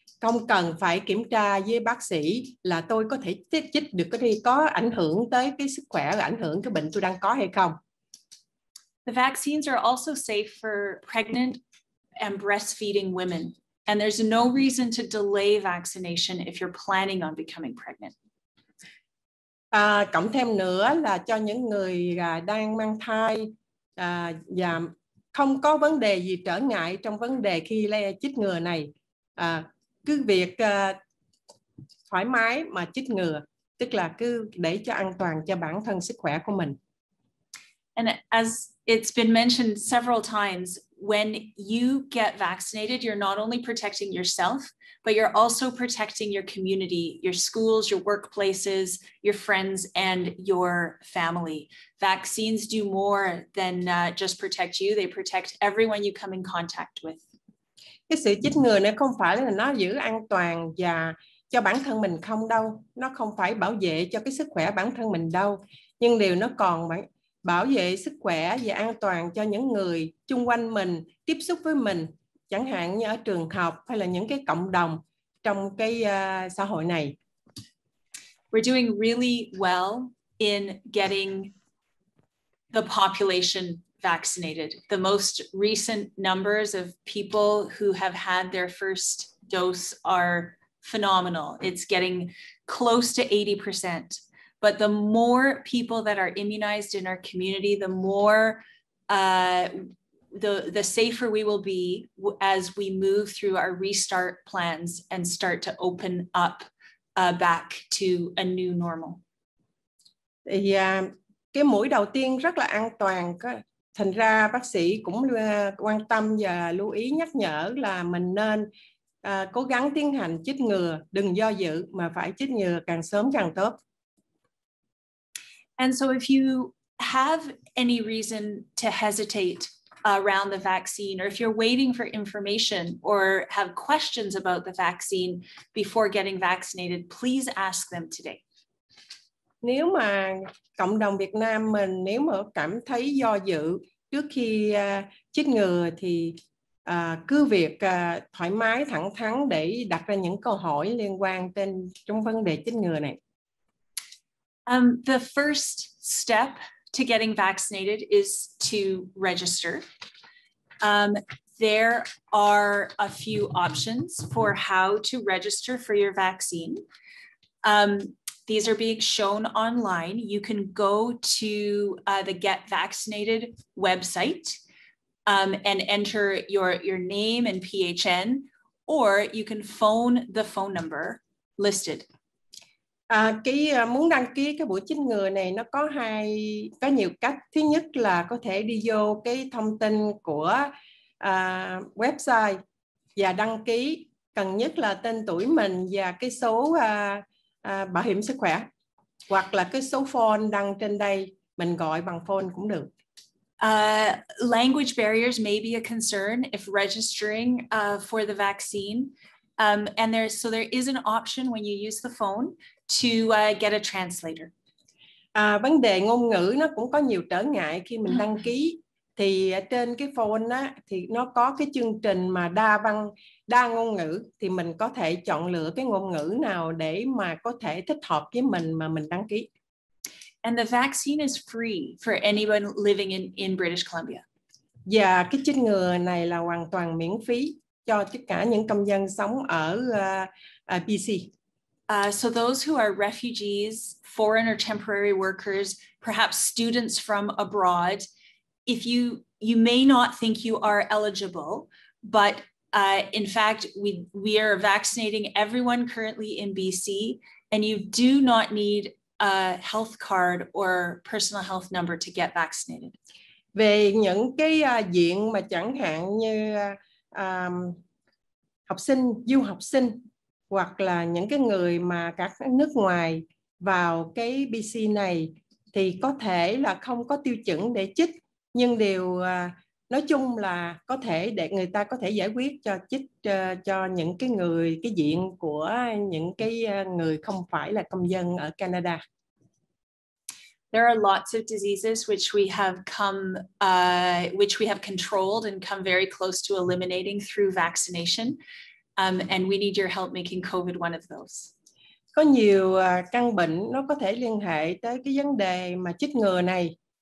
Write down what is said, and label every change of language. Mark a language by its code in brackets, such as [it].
[vi] Không cần phải kiểm tra với bác sĩ là tôi có thể chích được cái gì có ảnh hưởng tới cái sức khỏe và ảnh hưởng cái bệnh tôi đang có hay không. [en] The vaccines are also safe for pregnant and breastfeeding women. And there's no reason to delay vaccination if you're planning on becoming pregnant. [vi] Cộng thêm nữa là cho những người đang mang thai và không có vấn đề gì trở ngại trong vấn đề khi chích ngừa này. Cứ việc thoải mái mà chích ngừa, tức là cứ để cho an toàn cho bản thân sức khỏe của mình. [en] And as it's been mentioned several times, when you get vaccinated, you're not only protecting yourself, but you're also protecting your community, your schools, your workplaces, your friends, and your family. Vaccines do more than just protect you. They protect everyone you come in contact with. [vi] Cái sự chích ngừa này không phải là nó giữ an toàn và cho bản thân mình không đâu. Nó không phải bảo vệ cho cái sức khỏe bản thân mình đâu. Nhưng điều nó còn bảo vệ sức khỏe và an toàn cho những người chung quanh mình, tiếp xúc với mình, chẳng hạn như ở trường học hay là những cái cộng đồng trong cái xã hội này. [en] We're doing really well in getting the population vaccinated. The most recent numbers of people who have had their first dose are phenomenal. It's getting close to 80%. But the more people that are immunized in our community, the more the safer we will be as we move through our restart plans and start to open up back to a new normal. [vi] Cái mũi đầu tiên rất là an toàn. Thành ra bác sĩ cũng quan tâm và lưu ý nhắc nhở là mình nên cố gắng tiến hành chích ngừa, đừng do dự mà phải chích ngừa càng sớm càng tốt. [en] And so if you have any reason to hesitate around the vaccine, or if you're waiting for information or have questions about the vaccine before getting vaccinated, please ask them today. [vi] Nếu mà cộng đồng Việt Nam mình nếu mà cảm thấy do dự trước khi chích ngừa thì cứ việc thoải mái thẳng thắn để đặt ra những câu hỏi liên quan trên trong vấn đề chích ngừa này. [en] The first step to getting vaccinated is to register. There are a few options for how to register for your vaccine. These are being shown online. You can go to the Get Vaccinated website and enter your name and PHN, or you can phone the phone number listed. [vi] Muốn đăng ký cái buổi chích ngừa này nó có nhiều cách. Thứ nhất là có thể đi vô cái thông tin của website và đăng ký, cần nhất là tên tuổi mình và cái số bảo hiểm sức khỏe, hoặc là cái số phone đăng trên đây, mình gọi bằng phone cũng được. [en] Language barriers may be a concern if registering for the vaccine. There is an option when you use the phone to get a translator. [vi] Vấn đề ngôn ngữ nó cũng có nhiều trở ngại khi mình đăng ký. Thì trên cái phone á, thì nó có cái chương trình mà đa ngôn ngữ, thì mình có thể chọn lựa cái ngôn ngữ nào để mà có thể thích hợp với mình mà mình đăng ký. [en] And the vaccine is free for anyone living in British Columbia. [vi] Và cái chích ngừa này là hoàn toàn miễn phí cho tất cả những công dân sống ở BC. [en] So those who are refugees, foreign or temporary workers, perhaps students from abroad, if you may not think you are eligible, but in fact, we are vaccinating everyone currently in BC, and you do not need a health card or personal health number to get vaccinated. [vi] Về những cái diện mà chẳng hạn như học sinh, du học sinh, hoặc là những cái người mà các nước ngoài vào cái BC này thì có thể là không có tiêu chuẩn để chích, nhưng điều nói chung là có thể để người ta có thể giải quyết cho chích cho những cái người, cái diện của những cái người không phải là công dân ở Canada. [en] There are lots of diseases which we have come which we have controlled and come very close to eliminating through vaccination. And we need your help making COVID one of those. [vi] Có nhiều căn bệnh nó có thể liên hệ tới cái vấn đề mà chích ngừa này.